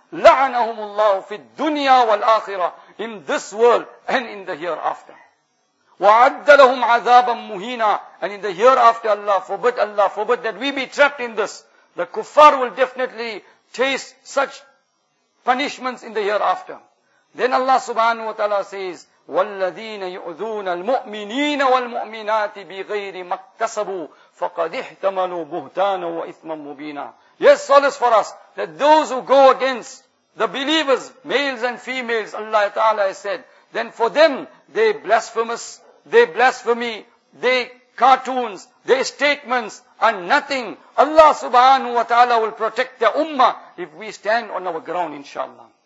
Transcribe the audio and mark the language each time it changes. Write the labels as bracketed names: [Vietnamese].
[Arabic] La'anahumullahu fi dunya wal akhirah, [English] in this world and in the hereafter. [Arabic] Wa'adda lahum azaban muhina, [English] and in the hereafter Allah forbid that we be trapped in this. The kuffar will definitely taste such punishments in the hereafter. Then Allah subhanahu wa ta'ala says, [Arabic] وَالَّذِينَ يُؤْذُونَ الْمُؤْمِنِينَ وَالْمُؤْمِنَاتِ بِغَيْرِ مَكْتَسَبُوا فَقَدِ احْتَمَلُوا بُهْتَانًا وَإِثْمًا مُبِينًا. [English] Yes, solace for us, that those who go against the believers, males and females, Allah Ta'ala has said, then for them, they blasphemous, they blasphemy, they cartoons, their statements are nothing. Allah Subhanahu wa Ta'ala will protect the Ummah if we stand on our ground, inshallah.